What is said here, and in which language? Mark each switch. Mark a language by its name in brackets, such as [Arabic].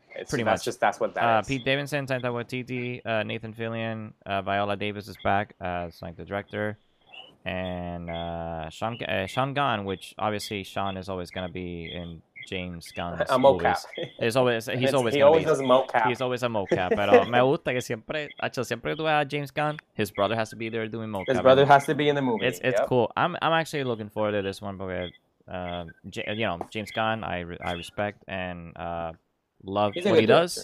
[English] That's what that is. Pete Davidson, Taika Waititi, Nathan Fillion, Viola Davis is back as like the director, and Sean Gunn, which obviously Sean is always gonna be in James Gunn's a mocap. He's always a mocap. [Spanish] Me gusta que siempre, [English] actually, [Spanish] siempre tú ves a James Gunn. [English] His brother has to be there doing mocap. His brother has to be in the movie. It's cool. I'm actually looking forward to this one because, James Gunn, I respect and love what he does.